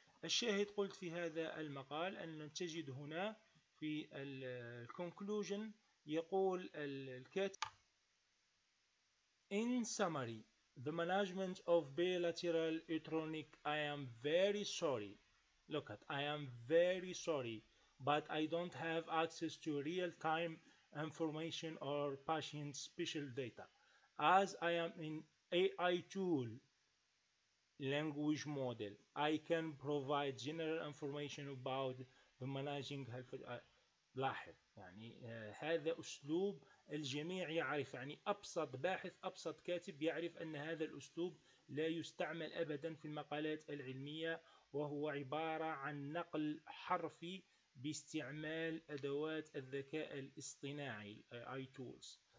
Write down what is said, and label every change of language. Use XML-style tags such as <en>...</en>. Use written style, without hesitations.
<ar>الشاهد قلت في هذا المقال أن تجد هنا في الconclusion يقول الكاتب:</ar> <en>In summary, the management of bilateral electronic, I am very sorry. Look at, I am very sorry, but I don't have access to real-time information or patient-special data, as I am an AI tool language model. I can provide general information about the managing health.</en> <ar>لاحظ، يعني هذا أسلوب الجميع يعرف، يعني أبسط باحث، أبسط كاتب يعرف أن هذا الأسلوب لا يستعمل أبداً في المقالات العلمية، وهو عبارة عن نقل حرفي باستعمال أدوات الذكاء الاصطناعي AI tools.</ar>